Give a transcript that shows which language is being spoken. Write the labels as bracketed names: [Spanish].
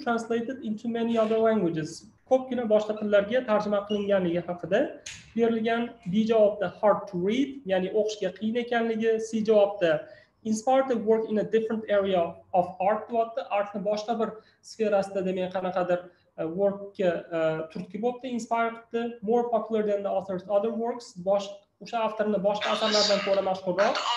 [English] Translated into many other languages. [Uzbek] Ko'pgina boshqa tillarga tarjima qilinganligi haqida berilgan. B javobda [English] hard to read, [Uzbek] ya'ni o'qishga qiyin ekanligi. C javobda [English] inspired to work in a different area of art. [Uzbek] Deyapti. Artni boshqa bir sferasida, demak, qanaqadir workga turtki bo'pti, inspired qildi. [English] More popular than the author's other works. [Uzbek] O'sha avtorni boshqa asarlardan ko'ra mashhurroq.